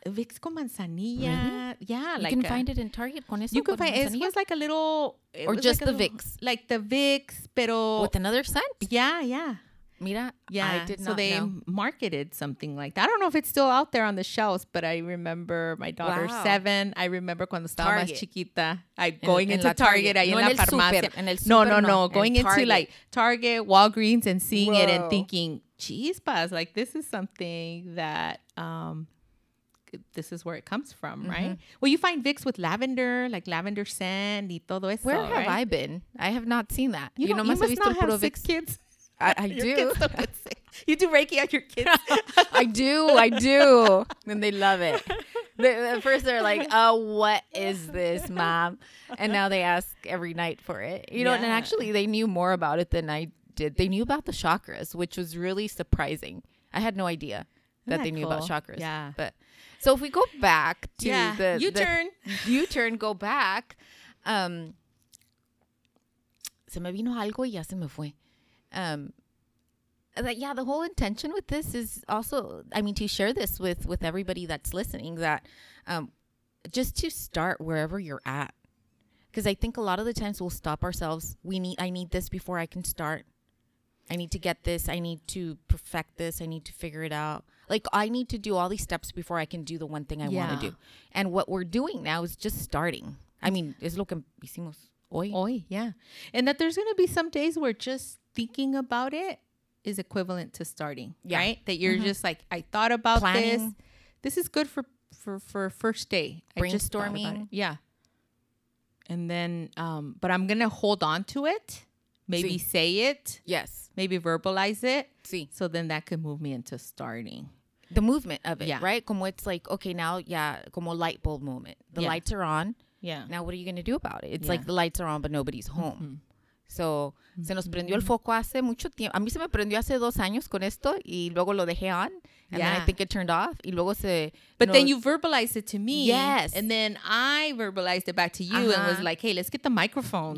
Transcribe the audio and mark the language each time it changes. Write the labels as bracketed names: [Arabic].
[English] Vicks con Manzanilla. Really? Yeah. You like can find it in Target. [Spanish] Con eso, [English] you can find it. It was like a little. Or just like the Vicks. Like the Vicks, pero. With another scent? Yeah, yeah. [Spanish] Mira, [English] yeah. I did not know. So they marketed something like that. I don't know if it's still out there on the shelves, but I remember my daughter seven. I remember [Spanish] cuando estaba más chiquita, [English] going into Target, [Spanish] ahí en la farmacia. [English] No. Going into like Target, Walgreens, and seeing it and thinking, chispas, like this is something that this is where it comes from, right? Well, you find Vicks with lavender, like lavender scent, [Spanish] y todo eso. [English] Where have I been? I have not seen that. You know, you must not have six kids. I do. You do Reiki on your kids. I do. And they love it. At first, they're like, oh, what is this, mom? And now they ask every night for it. You know, and actually, they knew more about it than I did. They knew about the chakras, which was really surprising. I had no idea that they knew about chakras. Yeah. But so if we go back to the U-turn, go back. [Spanish] Se me vino algo y ya se me fue. [English] The whole intention with this is also, I mean, to share this with everybody that's listening, that just to start wherever you're at. Because I think a lot of the times we'll stop ourselves. I need this before I can start. I need to get this. I need to perfect this. I need to figure it out. Like, I need to do all these steps before I can do the one thing I want to do. And what we're doing now is just starting. I mean, [Spanish] es lo que hicimos hoy. Hoy, yeah. [English] And that there's going to be some days where just thinking about it is equivalent to starting, right? That you're just like, I thought about planning. This. This is good for first day. Brainstorming. Yeah. And then, but I'm going to hold on to it. Maybe say it. Yes. Maybe verbalize it. See. So then that could move me into starting. The movement of it, right? Como it's like, okay, now, como light bulb moment. The lights are on. Yeah. Now what are you going to do about it? It's like the lights are on, but nobody's home. Mm-hmm. [Spanish] So, se nos prendió el foco hace mucho tiempo. A mí se me prendió hace 2 años con esto y luego lo dejé on. [English] And then I think it turned off. [Spanish] Y luego se... [English] But then you verbalized it to me. Yes. And then I verbalized it back to you and was like, hey, let's get the microphones.